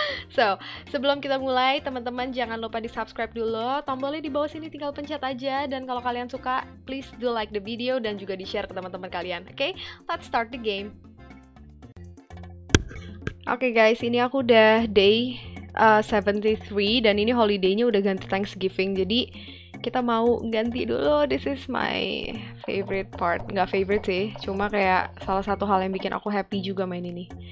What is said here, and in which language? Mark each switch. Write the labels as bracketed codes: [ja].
[id] So, sebelum kita mulai, teman-teman jangan lupa di-subscribe dulu, tombolnya di bawah sini tinggal pencet aja, dan kalau kalian suka, [en] please do like the video [id] dan juga di-share ke teman-teman kalian, oke? Okay? [en] Let's start the game! [id] Oke guys, ini aku udah day 73 dan ini holiday-nya udah ganti Thanksgiving. Jadi kita mau ganti dulu. [en] This is my favorite part. [id] Nggak favorite sih, cuma kayak salah satu hal yang bikin aku happy juga main ini.